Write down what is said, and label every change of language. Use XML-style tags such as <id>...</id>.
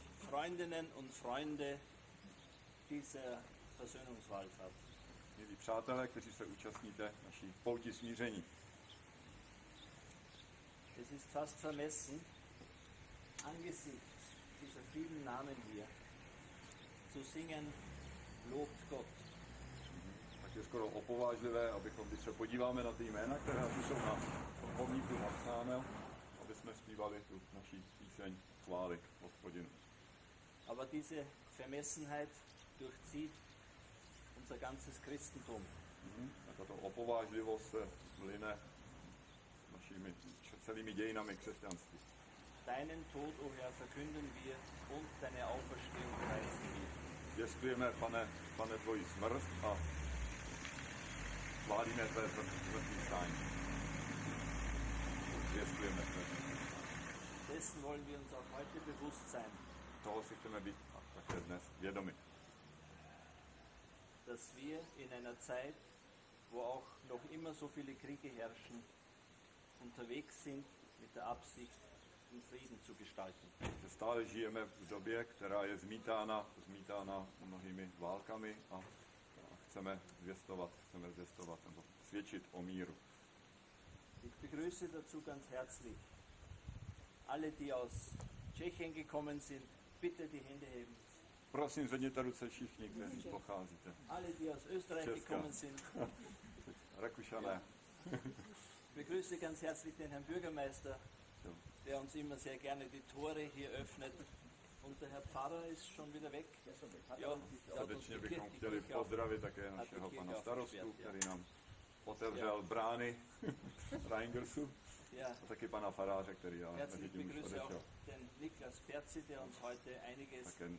<de>Freundinnen und Freunde dieser Versöhnungswallfahrt.</de> <cs>Milí přátelé, kteří se účastníte naší pouti smíření.</cs> <de>Es ist fast vermessen, angesichts dieser vielen Namen hier, zu singen, lobt Gott.</de> <cs>Tak je skoro opovážlivé, abychom, když se podíváme na ty jména, které jsou na pomníku napsáno, aby jsme zpívali tu naší píseň chvály Hospodinu.</cs> <de>Aber diese Vermessenheit durchzieht unser ganzes Christentum.</de> <cs>A tato opovážlivost se mlyne našimi celými dějinami křesťanství.</cs> <de>Deinen Tod, o Herr, verkünden wir und deine Auferstehung preisen wir.</de> <cs>Děkujeme, pane tvoji smrt a chválíme tvé smrtí stání. Děkujeme tvé smrtí stání.</cs> <de>Dessen wollen wir uns auch heute bewusst sein.</de> <cs>Toho si chceme být a také dnes vědomi.</cs> <de>Dass wir in einer Zeit, wo auch noch immer so viele Kriege herrschen, unterwegs sind mit der Absicht, den Frieden zu gestalten.</de> <cs>Že stále žijeme v době, která je zmítána mnohými válkami a chceme zvěstovat nebo svědčit o míru.</cs> <de>Ich begrüße dazu ganz herzlich alle, die aus Tschechien gekommen sind, bitte die Hände heben.</de> <cs>Prosím, zvedněte ruce všichni, kteří pocházíte.</cs> <de>Alle, die aus Österreich gekommen sind.</de> <cs>Rakušané.</cs> <de>Ich begrüße ganz herzlich den Herrn Bürgermeister, der uns immer sehr gerne die Tore hier öffnet. Und der Herr Pfarrer ist schon wieder weg.</de> <cs>Srdečně bychom chtěli pozdravit také našeho pana starostu, který nám otevřel brány Reingersu. Ja. Taky pana faráře, který já vidím, že odešel. Ten</cs> <de>Niklas Perci, der uns heute einiges</de>